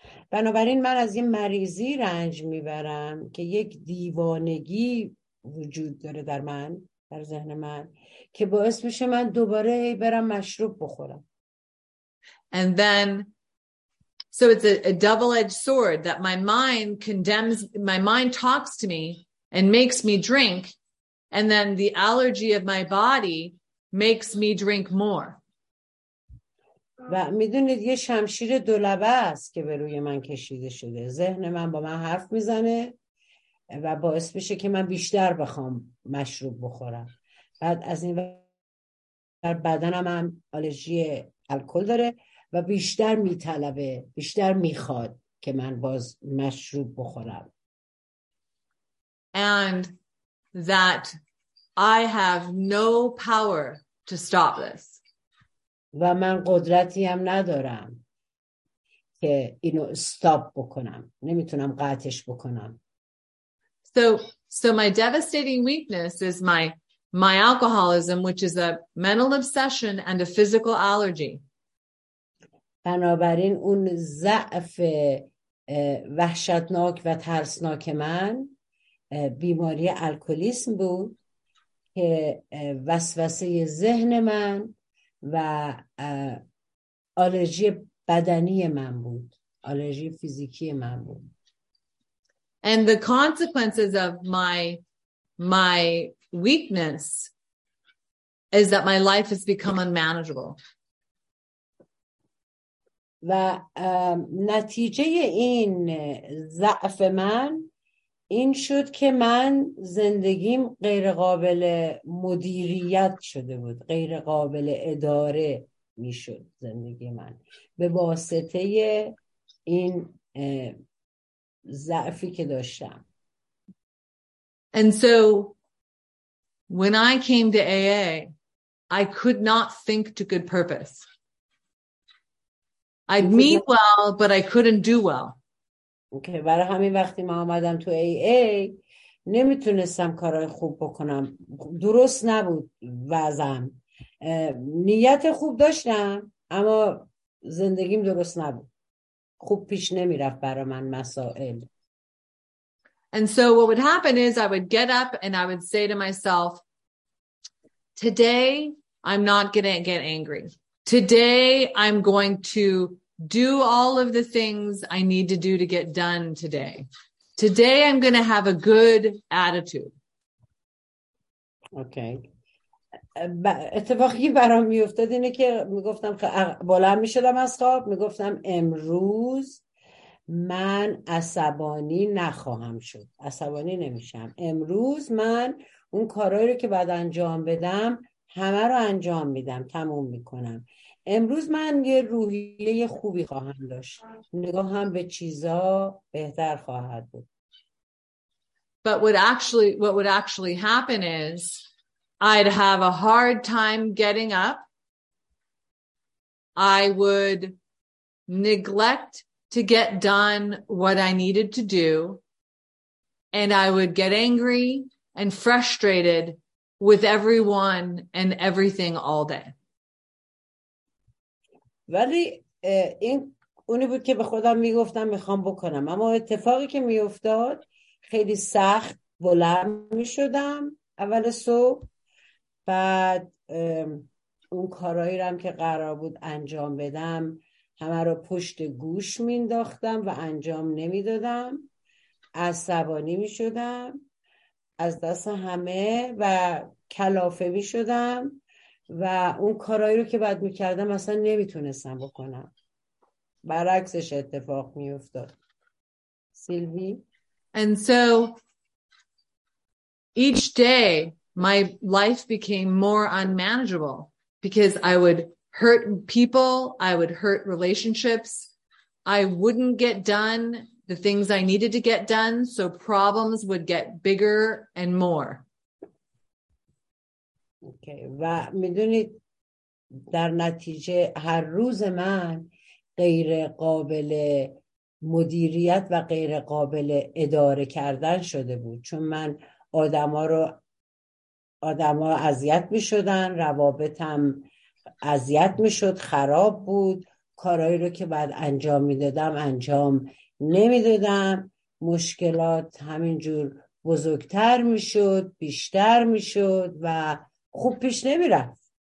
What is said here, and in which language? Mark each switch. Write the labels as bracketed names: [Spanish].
[Persian] بنابراین من از این مریضی رنج میبرم که یک دیوانگی وجود داره در من، در ذهن من، که باعث میشه من دوباره برم مشروب بخورم. [English] And then so it's a double-edged sword that my mind condemns, my mind talks to me and makes me drink, and then the allergy of my body makes me drink more. [Persian] و میدونید یه شمشیر دو لبه است که به روی من کشیده شده. ذهن من با من حرف میزنه و باعث میشه که من بیشتر بخوام مشروب بخورم. بعد از این بر بدنم هم آلرژی الکل داره و بیشتر میطلبه، بیشتر میخواد که من باز مشروب بخورم. [English] And that I have no power to stop this. [Persian] و من قدرتی هم ندارم که اینو استاپ بکنم، نمیتونم قطعش بکنم. [English] So my devastating weakness is my alcoholism, which is a mental obsession and a physical allergy. [Persian] بنابراین اون ضعف وحشتناک و ترسناک من بیماری الکلیسم بود که وسوسه ذهن من و آلرژی بدنی من بود، آلرژی فیزیکی من بود. [English] And the consequences of my weakness is that my life has become unmanageable. [Persian] و نتیجه این ضعف من این شد که من زندگیم غیر قابل مدیریت شده بود، غیر قابل اداره می شد زندگی من به واسطه این ضعفی که داشتم. [English] And so when I came to AA, I could not think to good purpose. I'd mean well, but I couldn't do well. [Persian] اوکی، برای همین وقتی من اومدم تو ای ای نمیتونستم کارهای خوب بکنم. درست نبود وضعم. نیت خوب داشتم اما زندگیم درست نبود. خوب پیش نمیرفت برای من مسائل. [English] And so what would happen is I would get up and I would say to myself, today I'm not going to get angry. Today I'm going to do all of the things I need to do to get done today. Today I'm going to have a good attitude. Okay. [Persian] اتفاقی برام میافتاد اینه که میگفتم بلند میشدم از خواب، میگفتم امروز من عصبانی نخواهم شد، عصبانی نمیشم. امروز من اون کارهایی رو که بعد انجام بدم همه رو انجام میدم، تموم میکنم. امروز من یه روحیه خوبی خواهم داشت، نگاه هم به چیزا بهتر خواهد بود. [English] But what would actually happen is I'd have a hard time getting up. I would neglect to get done what I needed to do, and I would get angry and frustrated with everyone and everything all day. [Persian] ولی این اونی بود که به خودم میگفتم میخوام بکنم، اما اتفاقی که میافتاد خیلی سخت بلند میشدم، اول صبح، بعد اون کارهایی رو هم که قرار بود انجام بدم همه رو پشت گوش مینداختم و انجام نمیدادم، عصبانی می شدم از دست همه و کلافه می شدم و اون کارهایی رو که بعد می کردم اصلا نمی تونستم بکنم، برعکسش اتفاق می افتاد. سیلوی؟ [English] And so each day my life became more unmanageable because I would hurt people, I would hurt relationships, I wouldn't get done the things I needed to get done, so problems would get bigger and more. [Persian] Okay, و میدونید در نتیجه هر روز من غیر قابل مدیریت و غیر قابل اداره کردن شده بود، چون من آدم ها اذیت می شدن، روابطم اذیت می شد، خراب بود، کارهایی رو که بعد انجام می دادم انجام نمی دادم، مشکلات همینجور بزرگتر می شد، بیشتر می شد و خوب پیش نمی رفت.